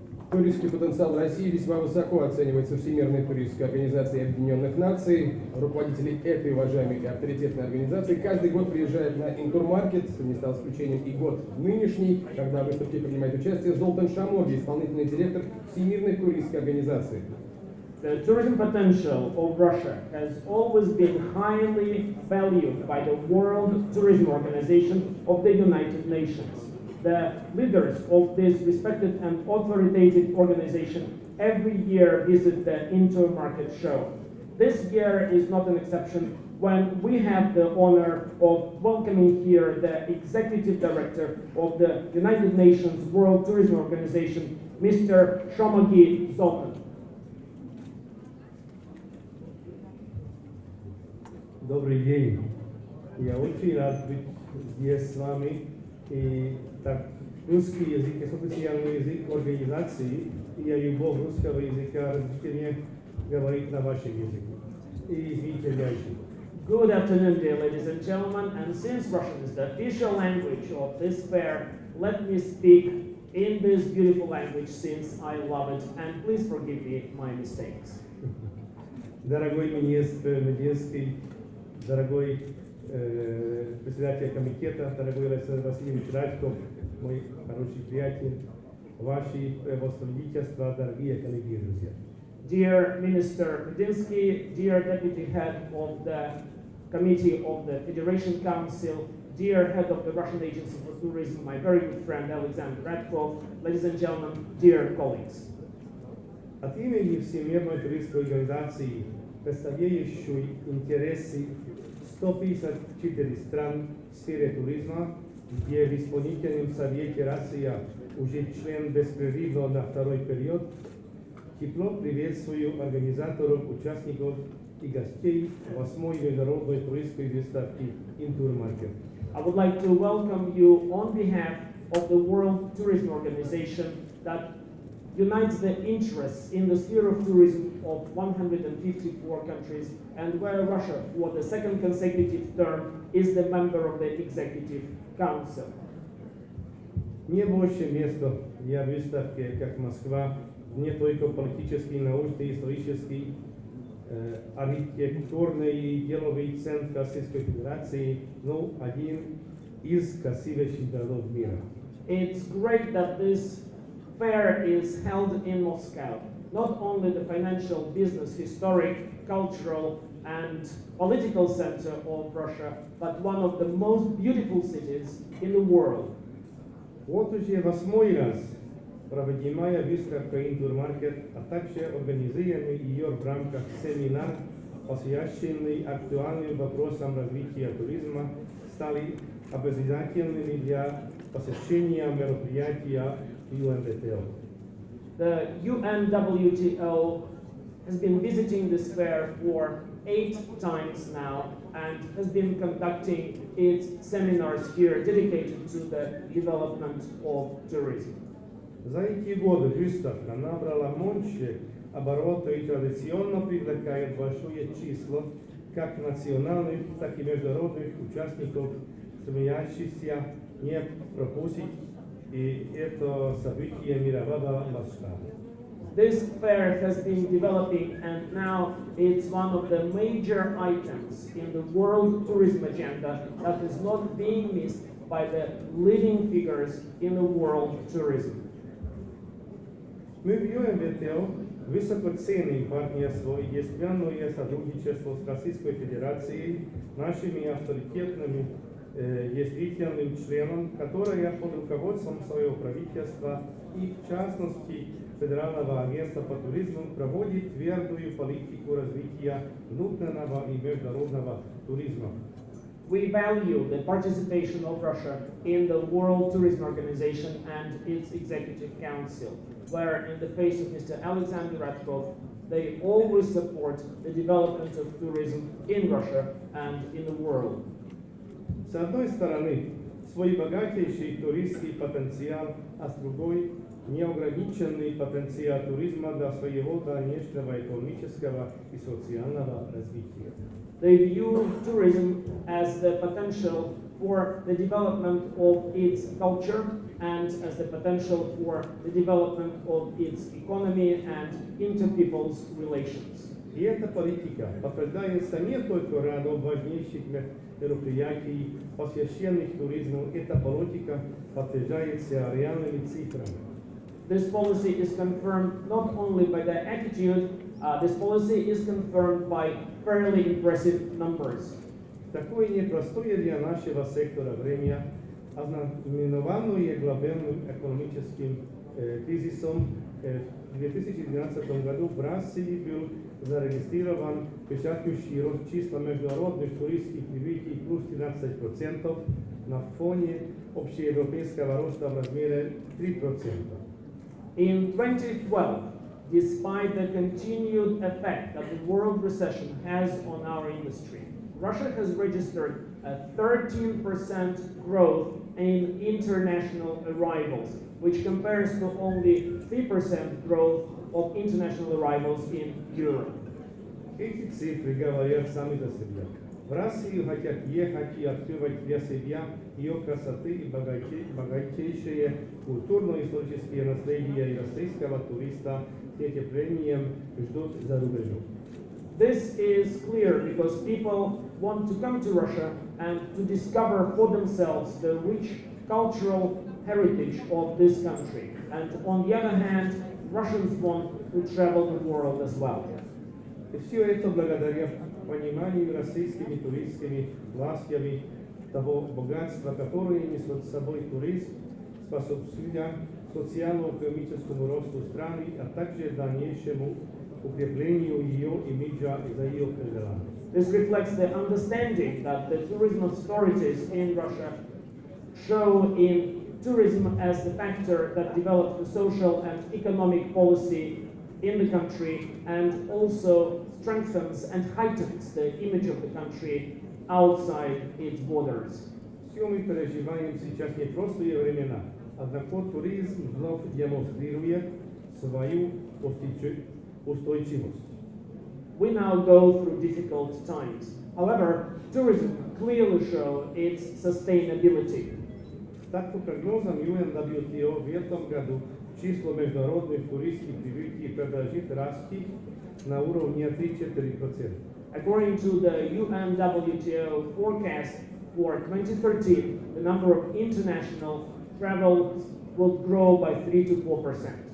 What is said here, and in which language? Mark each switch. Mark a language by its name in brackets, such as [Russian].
[Russian] Туристический потенциал России весьма высоко оценивается Всемирной туристической организацией Объединенных Наций. Руководители этой уважаемой и авторитетной организации каждый год приезжают на Интурмаркет, не стал исключением и год нынешний, когда в выставке принимает участие Золтан Шамоги, исполнительный директор Всемирной туристической организации. [English] The tourism potential of Russia has always been highly valued by the World Tourism Organization of the United Nations. The leaders of this respected and authoritative organization every year visit the Intermarket show. This year is not an exception when we have the honor of welcoming here the executive director of the United Nations World Tourism Organization, Mr. Shomagi Zoltan. [Russian] Добрый день. Я очень рад быть здесь с вами. И так, русский язык, это официальный язык организации, и я любовь русского языка разрешение говорить на вашем языке. И извините, я еще. [English] Good afternoon, dear ladies and gentlemen, and since Russian is the official language of this fair, let me speak in this beautiful language since I love it, and please forgive me my mistakes. [Russian] Дорогой министр Медвежский, дорогой председатель комитета, дорогой Александр Васильевич Радьков, мой хороший приятель, ваши превосходительства, дорогие коллеги и друзья. [English] Dear Minister Medinsky, dear Deputy Head of the Committee of the Federation Council, dear Head of the Russian Agency for Tourism, my very good friend Александр Радьков, ladies and gentlemen, dear colleagues. [Russian] От имени Всемирной туристской организации, представляющей интересы 154 стран в сфере туризма, где в исполнительном совете Россия уже член беспрерывно на второй период, тепло приветствую организаторов, участников и гостей 8-й международной туристской выставки Интурмаркет. [English] I would like to welcome you on behalf of the World Tourism Organization that unites the interests in the sphere of tourism of 154 countries and where Russia, for the second consecutive term, is the member of the Executive Council. [Russian] Не больше места для выставки, как Москва, не только политический, научный, исторический, архитектурный и деловый центр Российской Федерации, но один из красивейших городов мира. [English] It's great that this fair is held in Moscow. Not only the financial, business, historic, cultural, and political center of Russia, but one of the most beautiful cities in the world. [Russian] Вот уже восьмой раз проводимая выставка Интурмаркет, а также организуемый ее в рамках семинар, посвященный актуальным вопросам развития туризма, стали обязательными для посещения мероприятия UNWTO. [English] The UNWTO has been visiting this fair for 8 times now and has been conducting its seminars here dedicated to the development of tourism. [Russian] За эти годы выставка набрала мощные обороты и традиционно привлекает большое число как национальных, так и международных участников, стремящихся не пропустить. И это событие мирового масштаба. [English] This fair has been developing and now it's one of the major items in the world tourism agenda that is not being missed by the leading figures in the world tourism. [Russian] Мы в UNWTO высоко ценим партнерство и действенное сотрудничество с Российской Федерацией, нашими авторитетными действительным членом, которая под руководством своего правительства и, в частности, Федерального агентства по туризму проводит твердую политику развития внутреннего и международного туризма. [English] We value the participation of Russia in the World Tourism Organization and its Executive Council, where in the face of Mr. Alexander Ratkov, they always support the development of tourism in Russia and in the world. [Russian] С одной стороны, свой богатейший туристский потенциал, а с другой – неограниченный потенциал туризма для своего дальнейшего экономического и социального развития. [English] They view tourism as the potential for the development of its culture and as the potential for the development of its economy and inter-people's relations. [Russian] И эта политика подтверждается не только рядом важнейших мероприятий, посвященных туризму. Эта политика подтверждается реальными цифрами. [English] This policy is confirmed not only by the attitude, this policy is confirmed by fairly impressive numbers. [Russian] Такое непростое для нашего сектора время, ознаменованное глобальным экономическим кризисом. В 2012 году в России был зарегистрирован впечатляющий рост числа международных туристских прибытий плюс 13% на фоне общеевропейского роста в размере 3%. [English] In 2012, despite the continued effect that the world recession has on our industry, Russia has registered a 13% growth in international arrivals, which compares to only 3% growth of international arrivals in Europe. [Russian] Эти цифры говорят сами за себя. В Россию хотят ехать и открывать для себя ее красоты и богатейшее культурно-историческое наследие российского туриста. Эти премии ждут за рубежом. [English] This is clear because people want to come to Russia and to discover for themselves the rich cultural heritage of this country. And on the other hand, Russians want to travel the world as well. [Russian] И все это благодаря пониманию российскими туристскими властями того богатства, которое несет с собой туризм, способствуя социально-экономическому росту страны, а также дальнейшему укреплению ее имиджа за ее пределами. [English] This reflects the understanding that the tourism authorities in Russia show in tourism as the factor that develops the social and economic policy in the country and also strengthens and heightens the image of the country outside its borders. [Russian] Все мы переживаем сейчас непростые времена, однако туризм вновь демонстрирует свою устойчивость. [English] We now go through difficult times. However, tourism clearly shows its sustainability. [Russian] Так по прогнозам UNWTO в этом году число международных туристских прибытий продолжит расти на уровне 3-4%. [English] According to the UNWTO forecast for 2013, the number of international travels will grow by 3-4%.